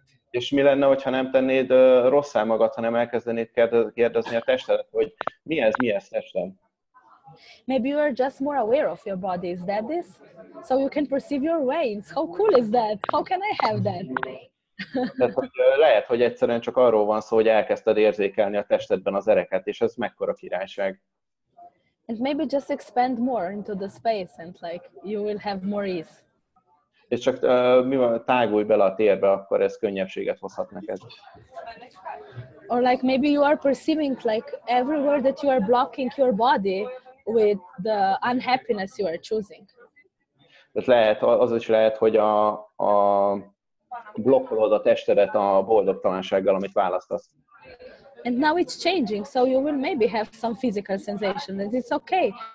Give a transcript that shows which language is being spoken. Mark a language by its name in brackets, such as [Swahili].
[Hungarian] És mi lenne, hogyha nem tennéd rosszá magad, hanem elkezdenéd kérdezni a testedet, hogy mi ez testem? [English] Maybe you are just more aware of your body. Is that this? So you can perceive your veins. How cool is that? How can I have that? [Hungarian] Tehát, hogy lehet, hogy egyszerűen csak arról van szó, hogy elkezdted érzékelni a testedben az ereket, és ez mekkora királyság. [English] And maybe just expand more into the space and like you will have more ease. [Hungarian] És csak mi van, tágulj bele a térbe, akkor ez könnyebbséget hozhat neked. [English] Or like maybe you are perceiving like everywhere that you are blocking your body with the unhappiness you are choosing. [Hungarian] Tehát lehet, az is lehet, hogy a blokkolod a testedet a boldogtalansággal, amit választasz. [English] And now it's changing, so you will maybe have some physical sensation, and it's okay.